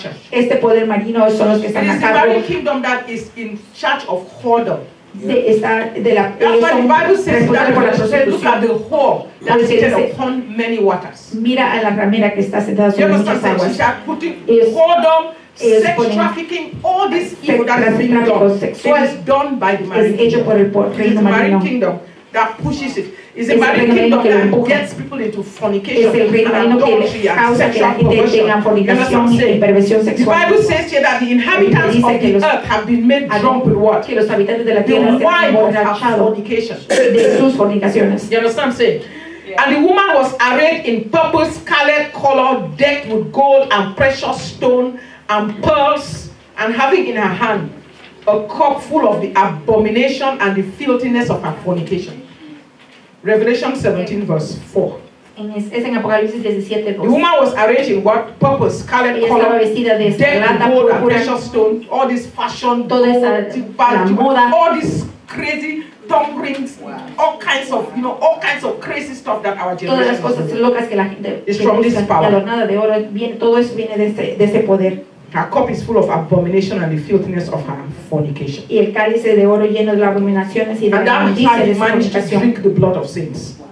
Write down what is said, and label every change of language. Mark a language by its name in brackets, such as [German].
[Spanish] Este poder marino son los que están a cargo. [English] It is the marine kingdom that is in charge of whoredom. [Spanish] Mira a la ramera que está sentada sobre muchas aguas. [English] You understand? She is putting whoredom, sex trafficking, all this evil that is being done. It is done by the marine. [Spanish] Es hecho por el [English] marine kingdom that pushes it. Is the marine kingdom that gets people into fornication and adultery and sexual perversion? Say, sexual. The Bible says here that the inhabitants of the earth have been made drunk with what? [Spanish] Que los habitantes de la tierra [English] the wine of fornication. [Spanish] De sus fornicaciones. [English] You understand what I'm saying? Yeah. And the woman was arrayed in purple scarlet color, decked with gold and precious stone and pearls, and having in her hand a cup full of the abomination and the filthiness of her fornication. Revelation 17 verse 4. [Spanish] Es en Apocalipsis 17, [English] the woman was arrayed in what? Purple, scarlet color, [Spanish] vestida de [English] plata, gold, and precious stone, all this fashion, [Spanish] toda esa, gold, la moda. [English] All these crazy thumb rings, wow. All kinds of, you know, all kinds of crazy stuff that our generation [Spanish] todas las cosas locas que la gente [English] is from this power. [Spanish] La jornada de oro, bien, todo eso viene de ese poder. [English] Her cup is full of abomination and the filthiness of her fornication. [Spanish] Y el cáliz de oro lleno de abominaciones y de [English] and that man managed to drink the blood of saints. Wow.